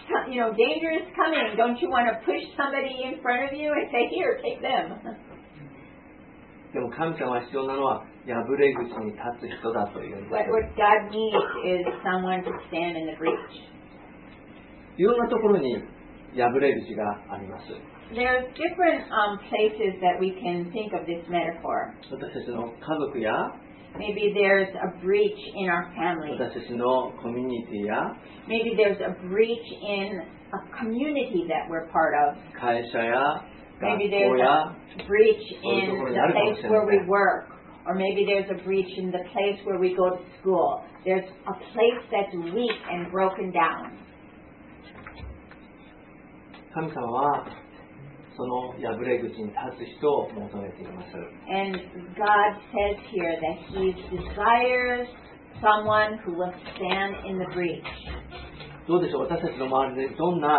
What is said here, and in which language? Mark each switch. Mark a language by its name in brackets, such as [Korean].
[English] You know, danger is coming. Don't you want to push somebody in front of you and say, "Here, take them"? [Japanese] でも神様が必要なのは破れ口に立つ人だというんです。 [English] But what God needs is someone to stand in the breach. [Japanese] いろんなところに破れ口があります。 [English] There are different places that we can think of this metaphor. [Japanese] 私たちの家族や [English] Maybe there's a breach in our family. [Japanese] 私たちのコミュニティや [English] Maybe there's a breach in a community that we're part of. [Japanese] 会社や [English] Maybe there's a breach in the place where we work. Or maybe there's a breach in the place where we go to school. There's a place that's weak and broken down. [Japanese] 神様はその破れ口に立つ人を求めています。 [English] And God says here that He desires someone who will stand in the breach. [Japanese] どうでしょう、私たちの周りでどんな